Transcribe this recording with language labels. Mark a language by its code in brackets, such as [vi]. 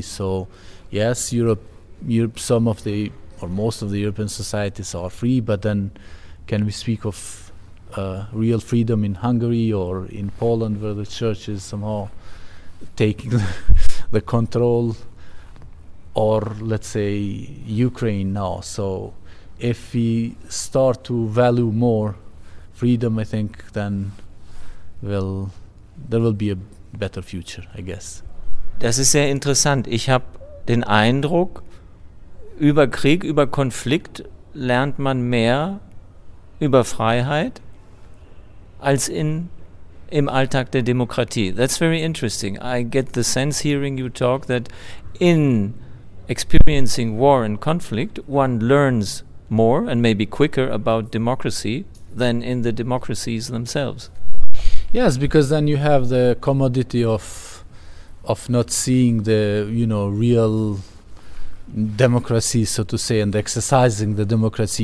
[en] So yes, Europe, some of the, or most of the European societies are free, but then can we speak of real freedom in Hungary or in Poland, where the church is somehow taking the control, or let's say Ukraine now? So if we start to value more freedom, I think then there will be a better future, I guess. [de] Das ist sehr interessant. Ich habe den Eindruck, über Krieg, über Konflikt lernt man mehr über Freiheit als im Alltag der Demokratie. [en] That's very interesting. I get the sense hearing you talk that in experiencing war and conflict, one learns more and maybe quicker about democracy than in the democracies themselves. Yes, because then you have the commodity of not seeing the, you know, real democracy, so to say, and exercising the democracy.